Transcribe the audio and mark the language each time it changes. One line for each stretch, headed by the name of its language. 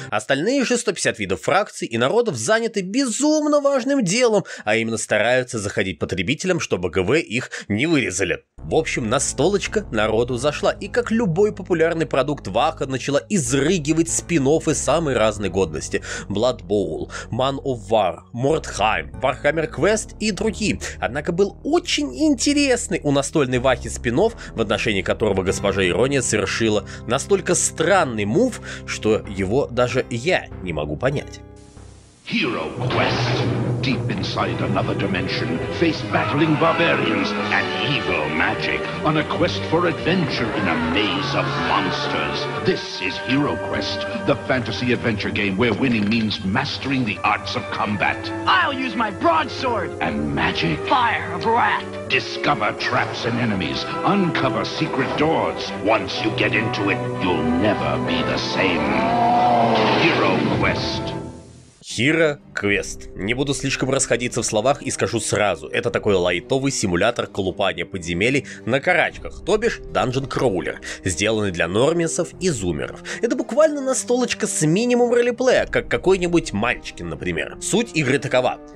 Russian: Остальные же 150 видов фракций и народов заняты безумно важным делом, а именно стараются заходить потребителям, чтобы ГВ их не вырезали. В общем, настолочка народу зашла, и как любой популярный продукт, Ваха начала изрыгивать спин-оффы самой разной годности. Blood Bowl, Man of War, Mordheim, Warhammer Quest и другие. Однако был очень интересный у настольной Вахи спин-офф, в отношении которого госпожа Ирония совершила настолько странный мув, что его даже я не могу понять.
English: Hero Quest. Deep inside another dimension, face battling barbarians and evil magic on a quest for adventure in a maze of monsters. This is Hero Quest, the fantasy adventure game where winning means mastering the arts of combat. I'll use my broadsword and magic. Fire of wrath. Discover traps and enemies, uncover secret doors. Once you get into it, you'll never be the same. Hero Quest. Hero Quest.
Russian: Не буду слишком расходиться в словах и скажу сразу, это такой лайтовый симулятор колупания подземелий на карачках, то бишь Dungeon Crawler, сделанный для нормисов и зумеров. Это буквально настолочка с минимум ролеплея, как какой-нибудь Манчкин, например. Суть игры такова.